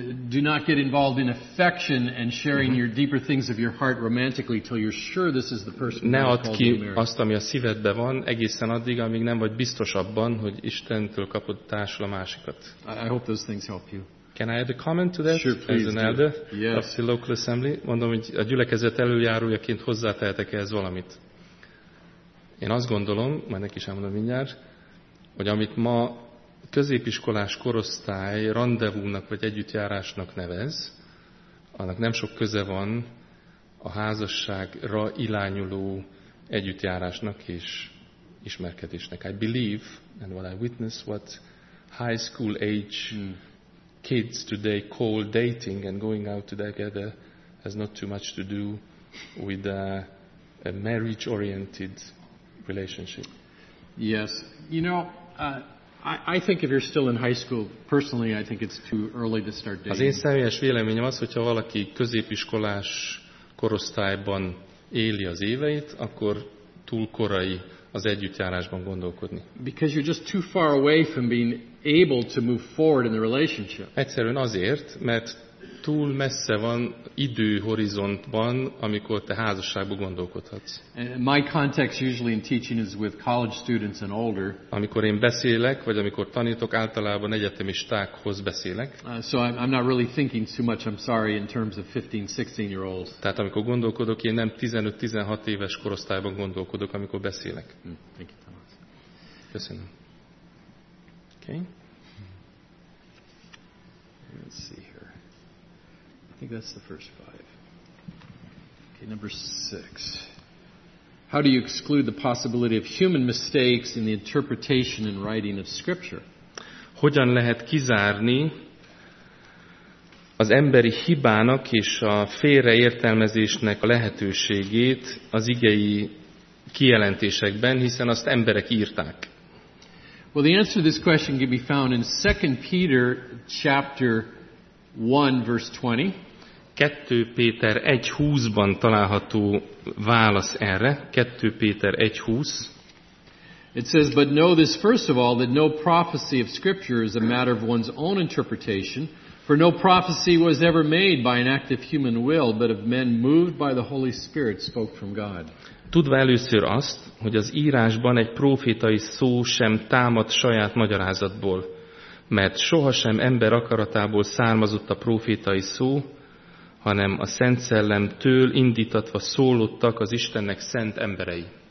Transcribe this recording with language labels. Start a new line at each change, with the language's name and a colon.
English: Do not get involved in affection and sharing mm-hmm. your deeper things of your heart romantically till you're sure this is the person.
Hungarian: Ne add ki azt, ami a szívedben van, egészen addig, amíg nem vagy biztos abban, hogy Istentől kapod társul a másikat.
English: I hope those things help you. Can I add a comment to that? Sure, please. As an elder yes. of the local assembly,
Hungarian: mondom, hogy a gyülekezet előjárójaként hozzátehetek ehhez valamit. Én azt gondolom, majd neki is elmondom mindjárt, hogy amit ma középiskolás korosztály randevúnak vagy együttjárásnak nevez, annak nem sok köze van a házasságra irányuló együttjárásnak és ismerkedésnek.
English: I believe, and what I witness, what high school age kids today call dating and going out together has not too much to do with a marriage-oriented relationship. Yes. You know, I think if you're still in high school, personally, I think it's too early to start dating.
Hungarian: Az én személyes véleményem az, hogyha valaki középiskolás korosztályban éli az éveit, akkor túl korai az együttjárásban gondolkodni.
English: Because you're just too far away from being able to move forward in the relationship.
Hungarian: Egyszerűen azért, mert túl messze van időhorizontban, amikor te házasságba gondolkodhatsz.
English: My context usually in teaching is with college students and older.
Hungarian: Amikor én beszélek, vagy amikor tanítok, általában egyetemistákhoz beszélek.
English: So I'm not really thinking too much, I'm sorry, in terms of 15-16 year olds.
Hungarian: Tehát amikor gondolkodok, én nem 15-16 éves korosztályban gondolkodok, amikor beszélek.
English: Thank you, Thomas.
Hungarian: Köszönöm. Okay.
English: Let's see. I think that's the first five. Okay, number six. How do you exclude the possibility of human mistakes in the interpretation and writing of Scripture?
Hungarian: Hogyan lehet kizárni az emberi hibának és a félreértelmezésnek a lehetőségét az igei kijelentésekben, hiszen azt emberek írták?
English: Well, the answer to this question can be found in 2 Peter chapter 1, verse 20.
Hungarian: 2 Péter 1:20-ban található válasz erre. 2 Péter 1:20.
English: It says, but know this first of all, that no prophecy of Scripture is a matter of one's own interpretation, for no prophecy was ever made by an act of human will, but of men moved by the Holy Spirit spoke from God.
Hungarian: Tudva először azt, hogy az írásban egy prófétai szó sem támad saját magyarázatból, mert sohasem ember akaratából származott a prófétai szó, hanem a Szent Szellemtől indítatva szólottak az Istennek szent emberei.